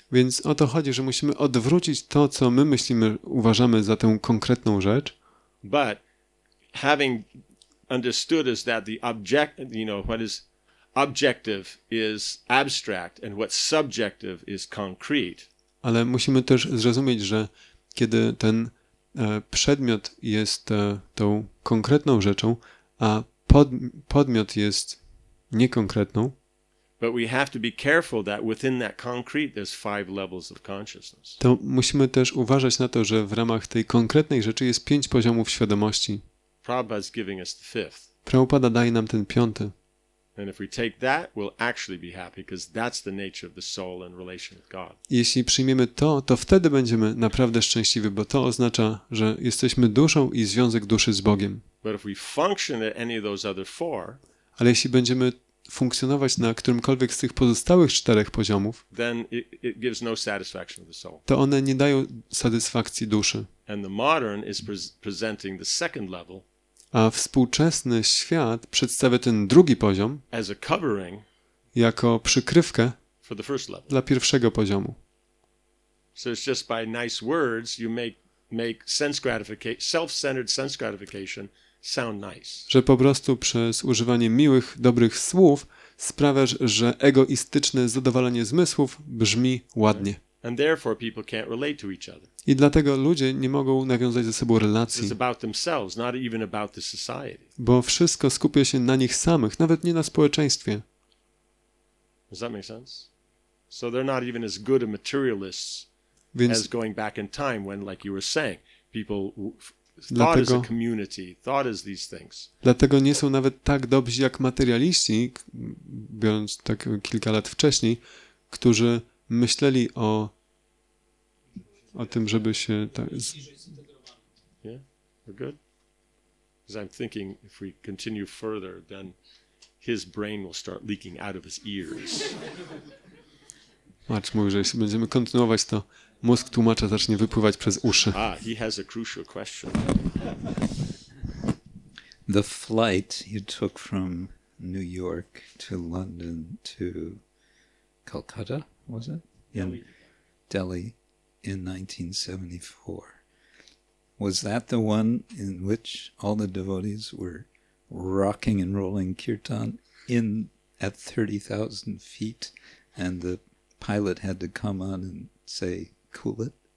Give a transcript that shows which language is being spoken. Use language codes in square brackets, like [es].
[pl] Więc o to chodzi, że musimy odwrócić to, co my myślimy, uważamy za tę konkretną rzecz. [en] But having understood is that the object, you know, what is objective is abstract and what subjective is concrete. [pl] Ale musimy też zrozumieć, że kiedy ten przedmiot jest tą konkretną rzeczą, a podmiot jest niekonkretną. [en] But we have to be careful that within that concrete there's five levels of consciousness. [pl] To musimy też uważać na to, że w ramach tej konkretnej rzeczy jest pięć poziomów świadomości. [en] Prabhupada is giving us the fifth. [pl] Prabhupada daje nam ten piąty. [en] And if we take that, we'll actually be happy, because that's the nature of the soul in relation with God. [pl] Jeśli przyjmiemy to, to wtedy będziemy naprawdę szczęśliwi, bo to oznacza, że jesteśmy duszą i związek duszy z Bogiem. [en] But if we function at any of those other four, [pl] ale jeśli będziemy funkcjonować na którymkolwiek z tych pozostałych czterech poziomów, [en] then it gives no satisfaction to the soul. [pl] To one nie dają satysfakcji duszy. [en] And the modern is presenting the second level. [pl] A współczesny świat przedstawia ten drugi poziom jako przykrywkę dla pierwszego poziomu. [en] So it's just by nice words you make sense gratification, self-centered sense gratification sound nice. [pl] Że po prostu przez używanie miłych, dobrych słów sprawiasz, że egoistyczne zadowalenie zmysłów brzmi ładnie. [en] And therefore people can't relate to each other. [pl] I dlatego ludzie nie mogą nawiązać ze sobą relacji. [en] It's about themselves, not even about the society. [pl] Bo wszystko skupia się na nich samych, nawet nie na społeczeństwie. [en] Does that make sense? So they're not even as good a materialists as going back in time when, like you were saying, people thought as a community, thought as these things. [pl] Dlatego nie są nawet tak dobrzy jak materialiści, biorąc tak kilka lat wcześniej, którzy myśleli o tym, żeby się tak. [en] Yeah, we're good. Because I'm thinking, if we continue further, then his brain will start leaking out of his ears. [pl] Marcz mówi, że jeśli będziemy kontynuować, to mózg tłumacza zacznie wypływać przez uszy. [en] Ah, he has a crucial question. The flight you took from New York to London to Calcutta. was it? In Delhi in 1974. Was that the one in which all the devotees were rocking and rolling kirtan in at 30,000 feet and the pilot had to come on and say, cool it?